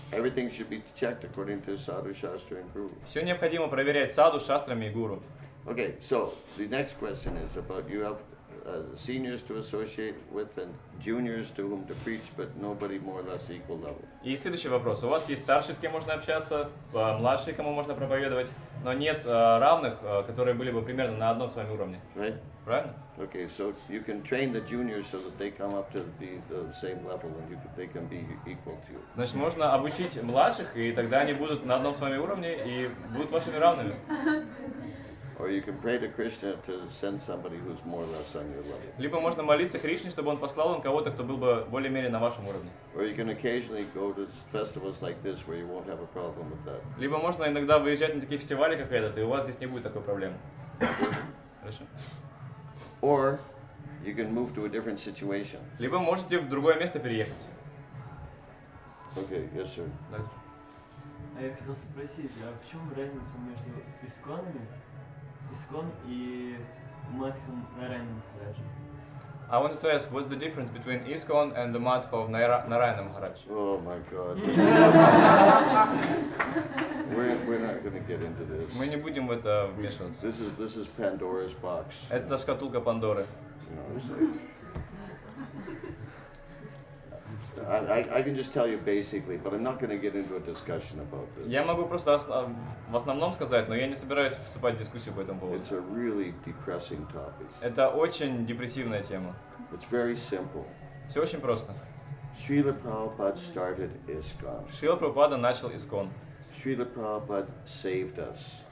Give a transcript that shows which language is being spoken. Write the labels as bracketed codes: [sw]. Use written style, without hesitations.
[en] Everything should be checked according to Sadhu, Shastra and Guru. [ru] Все необходимо проверять Sadhu, Shastra и Guru. [en] Okay, so, the next question is about you have seniors to associate with and juniors to whom to preach, but nobody more or less equal level. [ru] И следующий вопрос. У вас есть старшие, с кем можно общаться, младшие, кому можно проповедовать, но нет равных, которые были бы примерно на одном с вами уровне. [en] Right? [ru] Правильно? [en] Okay, so you can train the juniors so that they come up to the same level and they can be equal to you. [ru] Значит, можно обучить младших, и тогда они будут на одном с вами уровне и будут вашими равными. [en] Or you can pray to Krishna to send somebody who's more or less on your level. [ru] Либо можно молиться Кришне, чтобы он послал вам кого-то, кто был бы более-менее на вашем уровне. [en] Or you can occasionally go to festivals like this where you won't have a problem with that. [ru] Либо можно иногда выезжать на такие фестивали, как этот, и у вас здесь не будет такой проблемы. Хорошо. [en] Or you can move to a different situation. [ru] Либо можете в другое место переехать. [en] Okay, yes, sir. [ru] А я хотел спросить, а в чем разница между исконами? Искон и Мадхам Нарайана [en] Махарадж. I wanted to ask, what's the difference between Искон and the Мадха of Нарайана Махарадж? Oh my god. we're not going to get into this. [ru] Мы не будем в это вмешиваться. [en] This is Pandora's box. [ru] Это шкатулка Пандоры. [en] I can just tell you basically, but I'm not going to get into a discussion about this. [ru] Я могу просто в основном сказать, но я не собираюсь вступать в дискуссию по этому поводу. [en] It's a really depressing topic. [ru] Это очень депрессивная тема. [en] It's very simple. [ru] Все очень просто. [en] Srila Prabhupada started ISKCON. [ru] Srila Prabhupada начал ISKCON. [en] Srila Prabhupada saved us.